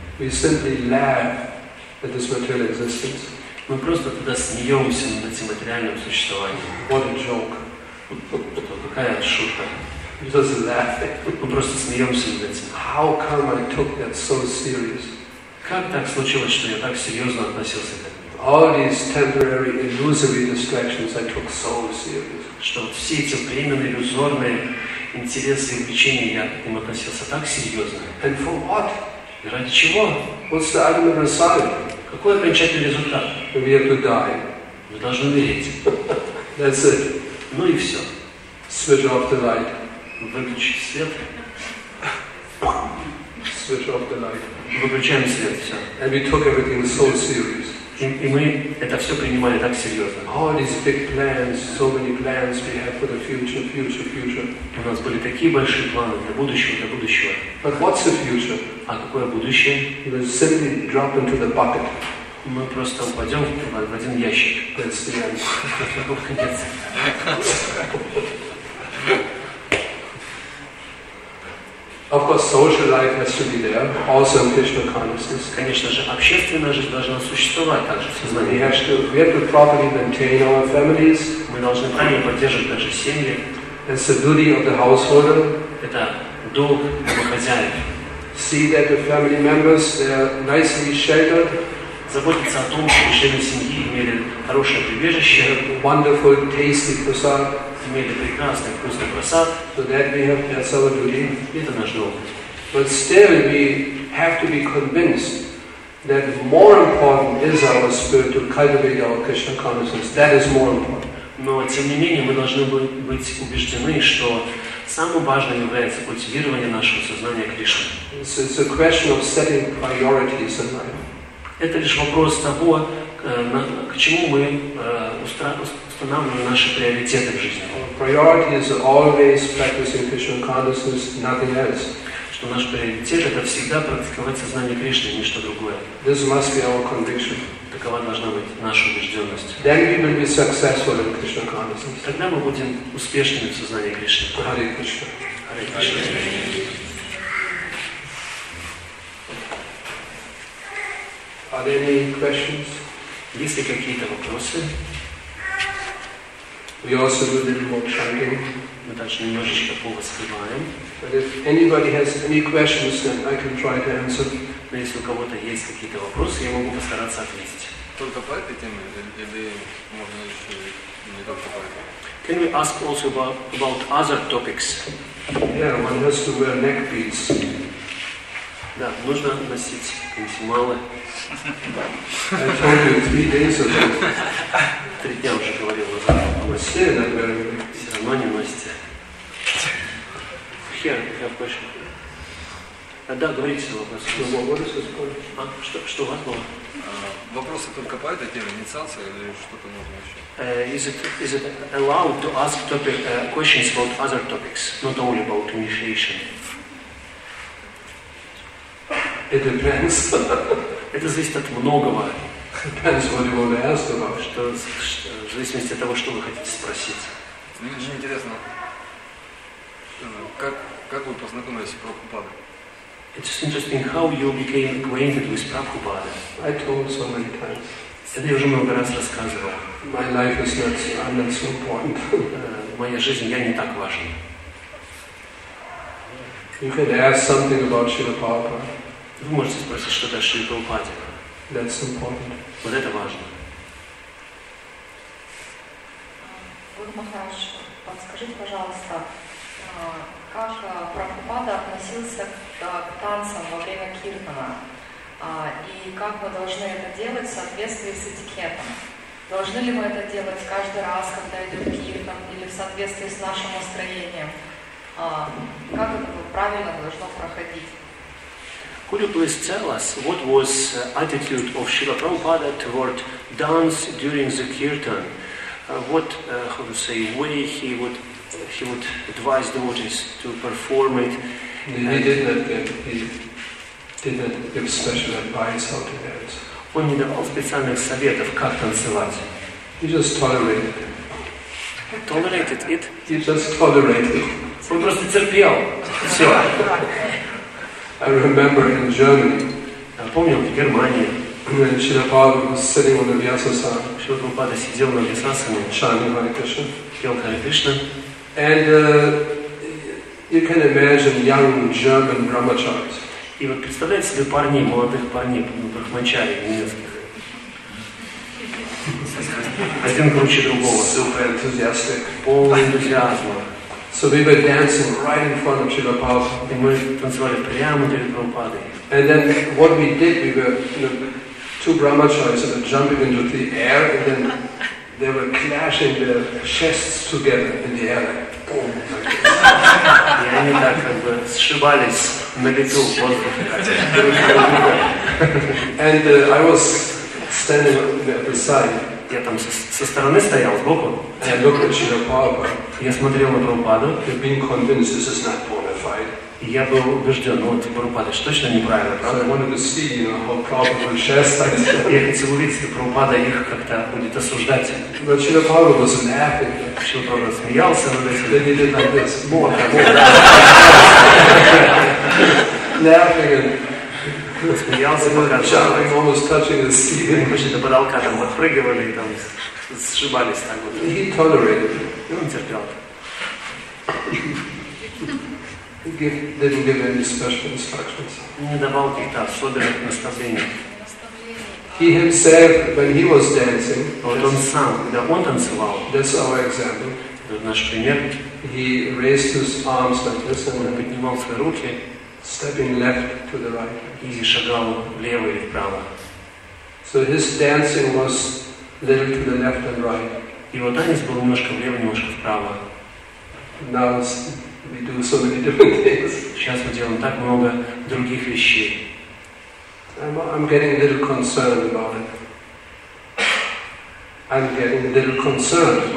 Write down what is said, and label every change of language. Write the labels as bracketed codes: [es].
[en] we simply laugh at this material existence. [ru] Мы просто тогда смеемся над этим материальным существованием. [en] What a joke! [ru] Какая шутка! [en] We're just laughing. [ru] Мы просто смеемся над этим. [en] How come I took that so serious? [ru] Как так случилось, что я так серьезно относился к этому? [en] All these temporary illusory distractions I took so serious. [ru] Что все эти временные иллюзорные интересы и увлечения я к ним относился так серьезно. [en] And for what? [ru] И ради чего? [en] What's the ultimate result? [ru] Какой окончательный результат? [en] We have to die. [ru] Мы должны умереть. [en] That's it. [ru] Ну и все. [en] Switch off the light. [ru] Выключи свет. [en] Switch off the light. [ru] Выключаем свет, все. [en] And we took everything so serious. [ru] И мы это все принимали так серьезно. [en] All these big plans, so many plans we have for the future, future, future. [ru] У нас были такие большие планы для будущего, для будущего. [en] But what's the future? [ru] А какое будущее? [en] We simply drop into the bucket. [ru] Мы просто упадем в один ящик. [en] That's the answer. Of course, social life has to be there, also in Krishna consciousness. [ru] Конечно же, общественная жизнь должна существовать также в сознании. [en] We have to properly maintain our families. [ru] Мы должны правильно поддерживать наши семьи. [en] It's the duty of the householder. [ru] Это долг домохозяев. [en] See that the family members are nicely sheltered. [ru] Заботиться о том, чтобы члены семьи имели хорошее прибежище. [en] Wonderful, tasty prasad. [ru] Имели прекрасный вкусный просад. [en] So that we have, that's our duty. [ru] Это наш долг. [en] But still we have to be convinced that more important is our spirit to cultivate our Krishna consciousness. That is more important. [ru] Но тем не менее мы должны быть убеждены, что самым важным является культивирование нашего сознания Кришны. [en] It's a question of setting priorities in life. [ru] Это лишь вопрос того, к чему мы устанавливаем наши приоритеты в жизни. [en] Priority is always practicing Krishna consciousness, nothing else. [ru] Что наш приоритет — это всегда практиковать сознание Кришны, и ничто другое. [en] This must be our conviction. [ru] Такова должна быть наша убежденность. [en] Then we will be successful in Krishna consciousness. [ru] Тогда мы будем успешными в сознании Кришны. [en] Hare Krishna. Hare Krishna. Are there any questions? [ru] Есть ли какие-то вопросы? [en] We also do a little more chanting. [ru] Мы также немножечко повоспеваем. [en] But if anybody has any questions, then I can try to answer. [ru] Но если у кого-то есть какие-то вопросы, я могу постараться ответить. Только по этой теме, или можно еще не только по этой? [en] Can we ask also about other topics? Yeah, one has to wear neck beads. [ru] Да, нужно носить кунтималы. [en] I told you 3 days ago. [ru] 3 дня уже говорил. Все, наверное. Все равно не носите. [en] Here, have question. [ru] Да, говорите вопрос. Что вопрос исполнил? А, что у вас было? Вопросы только по этой теме, инициация или что-то можно еще? [en] Is it allowed to ask questions about other topics, not only about initiation? It depends. [ru] Это зависит от многого. [en] Depends what you want to ask about. [ru] Что в зависимости от того, что вы хотите спросить. Мне очень интересно, как вы познакомились с Прабхупадой? [en] It's interesting how you became acquainted with Prabhupada. I told so many times. [ru] Это я уже много раз рассказывал. [en] My life is not, I'm not so important. [ru] Моя жизнь, я не так важен. [en] You can ask something about Srila Prabhupada. [ru] Вы можете спросить что-то о Шри Прабхупаде. [en] That's important. [ru] Вот это важно. Гуру Махарадж, подскажите, пожалуйста, как Прабхупада относился к танцам во время киртана? И как мы должны это делать в соответствии с этикетом? Должны ли мы это делать каждый раз, когда идет киртан, или в соответствии с нашим настроением? Как это правильно должно проходить? [en] Could you please tell us what was the attitude of Srila Prabhupada toward dance during the kirtan? What way he would advise devotees to perform it? He did not give special advice how to dance. [ru] Он не давал специальных советов, как танцевать. [en] He just tolerated it. Tolerated it. He just tolerated it. [ru] Он просто терпел. Все. [en] I remember in Germany. [ru] Я помню в Германии. [en] When Srila Prabhupada was sitting on the Vyasasa. [ru] Srila Prabhupada сидел на Вьясасане. [en] Chanting Hare Krishna. [ru] Пел Hare Krishna. [en] And you can imagine young German brahmacharis. [ru] И вот представляете себе парней, молодых парней, брахмачари немецких. Один круче другого. [en] Super enthusiastic. [ru] Полный энтузиазма. [en] So we were dancing right in front of Srila Prabhupada. [ru] И мы танцевали прямо перед Прабхупадой. [en] And then what we did, we were, two brahmacharis were jumping into the air, and then they were clashing their chests together in the air. [ru] И они так как бы сшибались на лету в воздухе. [en] And I was standing beside. [ru] Я там со стороны стоял, сбоку. [en] And I looked at Srila Prabhupada. [ru] Я смотрел на Прабхупаду. [en] You've been convinced this is not bona fide. [ru] И я был убежден, ну вот Прабхупада точно неправильно, правда? [en] I wanted to see, how Prabhupada would chastise them. [ru] Я хотел увидеть, что Прабхупада их как-то будет осуждать. [en] But Srila Prabhupada was laughing. [ru] Srila Prabhupada смеялся над этим. [en] Then he did like this. More, more. Laughing and... [ru] Какие-то потолка там отпрыгивали и там сшибались так вот. [en] He tolerated. [ru] Он терпел. [en] Didn't give any special instructions. [ru] Не давал каких-то особенных наставлений. [en] He himself, when he was dancing, [ru] вот он сам, когда он танцевал, [en] that's our example. [ru] Это наш пример. [en] He raised his arms like this, [ru] он поднимал свои руки. [en] Stepping left to the right. [ru] И шагал влево или вправо. [en] So his dancing was little to the left and right. [ru] Его танец был немножко влево, немножко вправо. [en] Now we do so many different things. [ru] Сейчас мы делаем так много других вещей. [en] I'm getting a little concerned about it. I'm getting a little concerned.